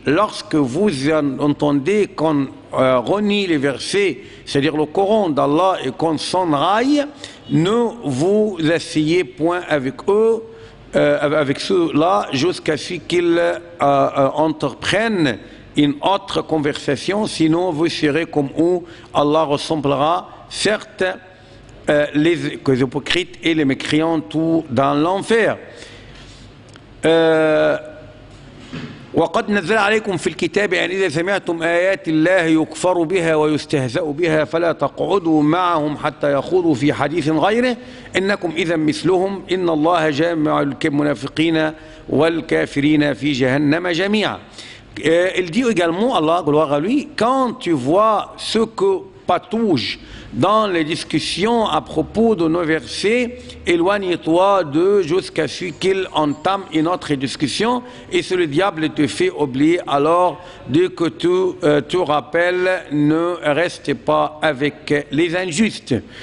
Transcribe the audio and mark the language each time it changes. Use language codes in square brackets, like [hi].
[fr] Lorsque vous entendez qu'on renie les versets, c'est-à-dire le Coran d'Allah et qu'on s'enraille, ne vous asseyez point avec eux, avec ceux-là, jusqu'à ce qu'ils entreprennent une autre conversation, sinon vous serez comme eux. Allah ressemblera, certes, les hypocrites et les mécréants tout dans l'enfer. [ar] وقد نزل عليكم في الكتاب أن إذا سمعتم آيات الله يكفر بها ويستهزأ بها فلا تقعدوا معهم حتى يخوضوا في حديث غيره إنكم إذا مثلهم إن الله جامع المنافقين والكافرين في جهنم جميعا. [fr] Il dit également, Allah, gloire à lui, quand tu vois ce que patouge dans les discussions à propos de nos versets, éloigne-toi d'eux jusqu'à ce qu'ils entament une autre discussion, et si le diable te fait oublier, alors dès que tu te rappelles, ne reste pas avec les injustes.